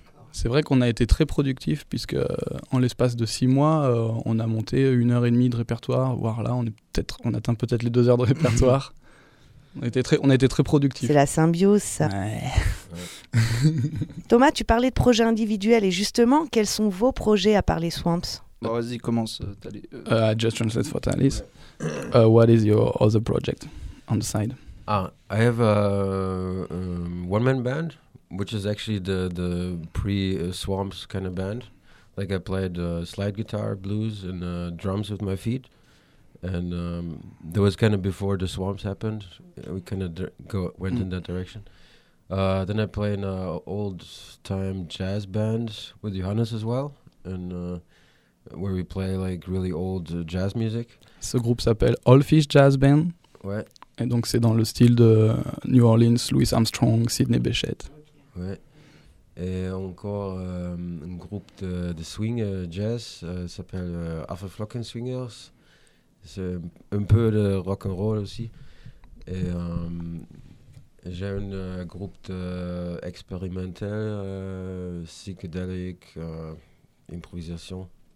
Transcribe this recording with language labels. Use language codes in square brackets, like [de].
[fr] C'est vrai qu'on a été très productifs, puisque en l'espace de 6 mois, on a monté 1h30 de répertoire, voire là, on atteint peut-être les 2 heures de répertoire. On était très productifs. C'est la symbiose, ça. Ouais. Thomas, tu parlais de projets individuels, et justement, quels sont vos projets à part les Swamps ? Bon, vas-y, commence. [en] I just translate for Thalys. What is your other project on the side ? I have a one-man band, which is actually the pre-Swamps kind of band. Like, I played slide guitar, blues, and drums with my feet. And that was kind of before the Swamps happened. We kind of went in that direction. Then I play in an old-time jazz band with Johannes as well, and where we play like really old jazz music. [fr] Ce groupe s'appelle All Fish Jazz Band. Ouais. Et donc c'est dans le style de New Orleans, Louis Armstrong, Sidney Bechet. Ouais. Et encore un groupe de swing jazz s'appelle Haverflocken Swingers. C'est un peu de rock and roll aussi. Et j'ai un groupe expérimental, psychédélique, improvisation.